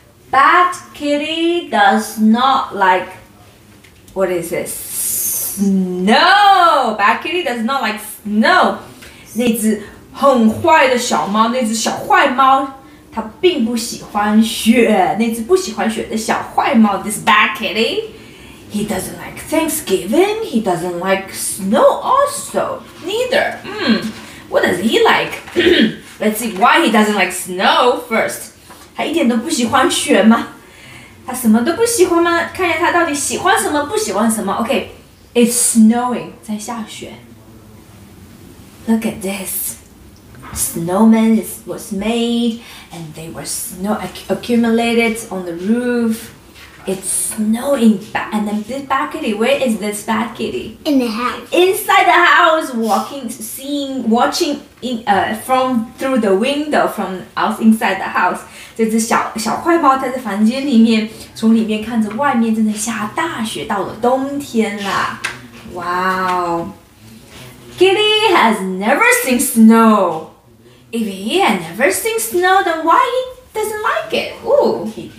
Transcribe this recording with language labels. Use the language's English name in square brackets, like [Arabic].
[English] That kitty does not like, what is it? Snow! That kitty does not like snow. [Chinese] 那只很坏的小猫，那只小坏猫，它并不喜欢雪。那只不喜欢雪的小坏猫， [English] this bad kitty, he doesn't like Thanksgiving, he doesn't like snow also, neither. What does he like? Let's see why he doesn't like snow first. [Chinese] 他一点都不喜欢雪吗？他什么都不喜欢吗？看一下他到底喜欢什么，不喜欢什么。 [English] OK, it's snowing, [Chinese] 在下雪。 [English] Look at this. Snowman was made and they were snow accumulated on the roof. It's snowing. And then this bad kitty, where is this bad kitty? In the house. Inside the house, walking, seeing, watching in, from through the window from out inside the house. [Chinese] 这只小小坏猫在房间里面，从里面看着外面正在下大雪，到了冬天啦。 [English] Wow. Kitty has never seen snow. If he had never seen snow, then why he doesn't like it?